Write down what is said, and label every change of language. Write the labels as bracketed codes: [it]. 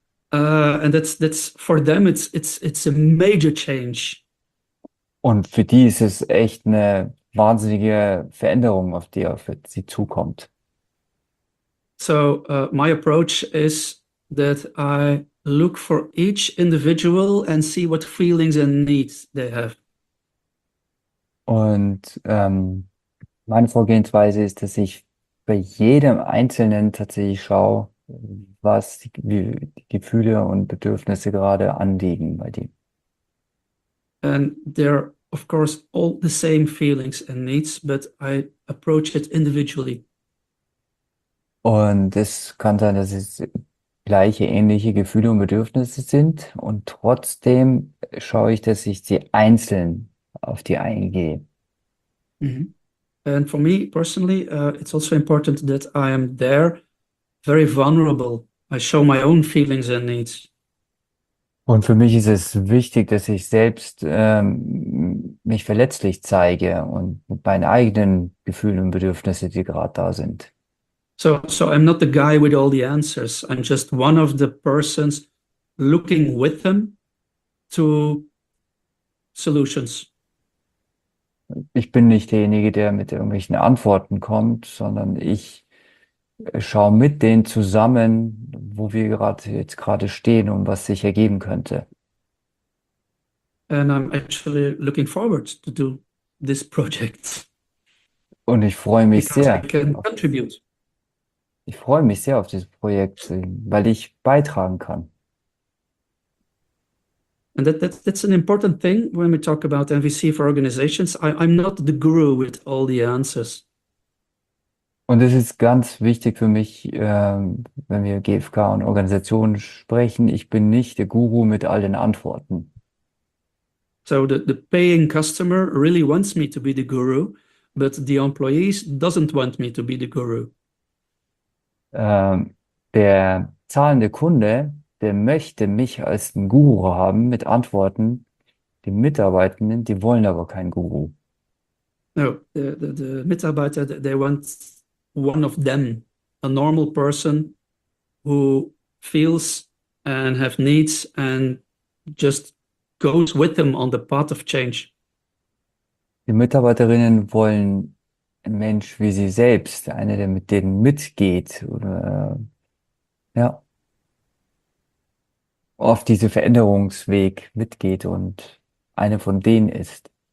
[en] And that's for them, it's a major change. [de] Und für die ist es echt eine wahnsinnige Veränderung, auf die auf sie zukommt. [en] So, my approach is that I look for each individual and see what feelings and needs they have. [de] Und meine Vorgehensweise ist, dass ich bei jedem Einzelnen tatsächlich schaue, was die Gefühle und Bedürfnisse gerade anliegen bei dem. [en] And there are, of course, all the same feelings and needs, but I approach it individually. [de] Und es kann sein, dass es gleiche, ähnliche Gefühle und Bedürfnisse sind und trotzdem schaue ich, dass ich sie einzeln auf die eingehe. Mm-hmm. [en] And for me personally, it's also important that I am there, very vulnerable. I show my own feelings and needs. [de] Und für mich ist es wichtig, dass ich selbst mich verletzlich zeige und mit meinen eigenen Gefühlen und Bedürfnissen, die gerade da sind. [en] So I'm not the guy with all the answers. I'm just one of the persons looking with them to solutions. [de] Ich bin nicht derjenige, der mit irgendwelchen Antworten kommt, sondern ich schaue mit denen zusammen, wo wir jetzt gerade stehen und was sich ergeben könnte. [en] And I'm actually looking forward to do this project. [de] Und ich freue mich sehr. Ich freue mich sehr auf dieses Projekt, weil ich beitragen kann. [en] And that's an important thing when we talk about MVC for organizations. I'm not the guru with all the answers. [de] Und es ist ganz wichtig für mich, wenn wir GfK und Organisationen sprechen, ich bin nicht der Guru mit all den Antworten. [en] So the paying customer really wants me to be the guru, but the employees doesn't want me to be the guru. [de] Der zahlende Kunde der möchte mich als einen Guru haben mit Antworten. Die Mitarbeitenden, die wollen aber keinen Guru. [en] No, the Mitarbeiter, they want one of them, a normal person who feels and have needs and just goes with them on the path of change. [de] Die Mitarbeiterinnen wollen einen Mensch wie sie selbst, einer, der mit denen mitgeht, oder, ja, auf diesen Veränderungsweg mitgeht und eine von denen ist.